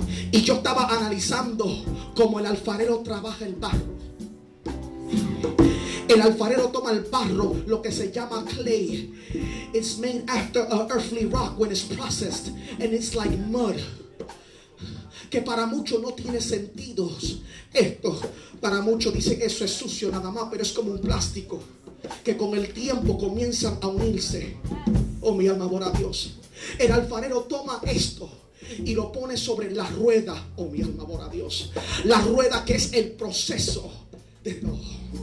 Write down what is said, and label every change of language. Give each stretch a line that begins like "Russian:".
Spanish: Y yo estaba analizando cómo el alfarero trabaja el barro. El alfarero toma el barro, lo que se llama clay.
English: It's made after an earthly rock when it's processed, and it's like mud.
Spanish: Que para muchos no tiene sentido esto. Para muchos dicen eso es sucio nada más, pero es como un plástico que con el tiempo comienzan a unirse. Oh, mi alma adora a Dios. El alfarero toma esto y lo pone sobre la rueda. Oh, mi alma adora a Dios. La rueda que es el proceso de Dios.